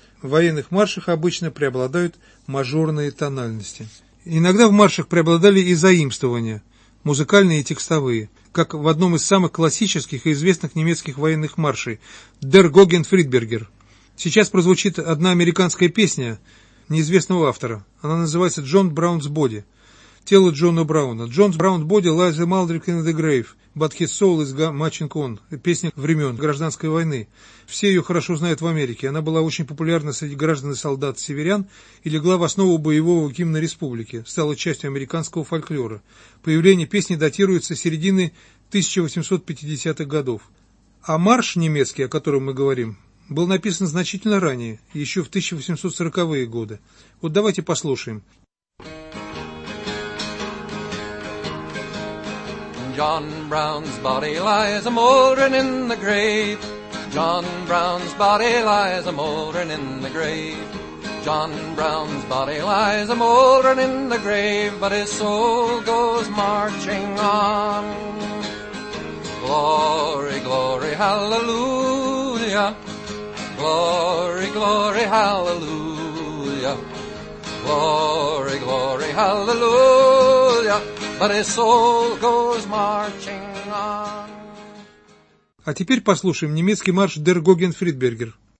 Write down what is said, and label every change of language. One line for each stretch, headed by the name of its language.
Russian: В военных маршах обычно преобладают мажорные тональности. Иногда в маршах преобладали и заимствования, музыкальные и текстовые, как в одном из самых классических и известных немецких военных маршей «Der Gogen Friedberger». Сейчас прозвучит одна американская песня неизвестного автора. Она называется «John Brown's Body». «Тело Джона Брауна».
English: «John Brown's Body lies a mouldering in the grave, but his soul is marching on».
Russian: Песня времен гражданской войны. Все ее хорошо знают в Америке. Она была очень популярна среди граждан и солдат северян и легла в основу боевого гимна республики, стала частью американского фольклора. Появление песни датируется серединой 1850-х годов. А марш немецкий, о котором мы говорим, был написан значительно ранее, еще в 1840-е годы. Вот давайте послушаем.
English: John Brown's body lies a-moldering in the grave. John Brown's body lies a-moldering in the grave. John Brown's body lies a-moldering in the grave, but his soul goes marching on. Glory, glory, hallelujah. Glory, glory, hallelujah. Glory, glory, hallelujah. But his soul goes marching on.
Russian: А теперь послушаем немецкий марш Der Gegenfriedberger.